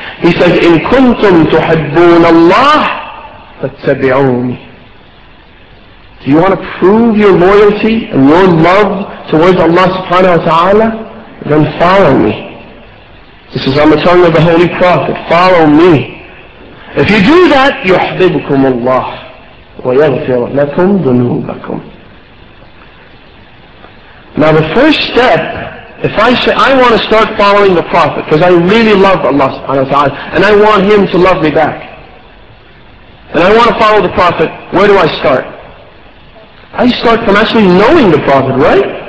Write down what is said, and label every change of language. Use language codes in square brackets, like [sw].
[en] He says, [ar] إِن كُنْتُمْ تُحَبُّونَ اللَّهِ فَاتَّبِعُونِ. [en] Do you want to prove your loyalty and your love towards Allah subhanahu wa ta'ala? Then follow me. This is on the tongue of the Holy Prophet. Follow me. If you do that, [ar] يُحْبِبُكُمُ اللَّهِ وَيَغْفِرَ لَكُمْ ذُنُوبَكُمْ. [en] Now the first step, if I say I want to start following the Prophet because I really love Allah subhanahu wa ta'ala and I want Him to love me back, and I want to follow the Prophet, where do I start? I start from actually knowing the Prophet, right?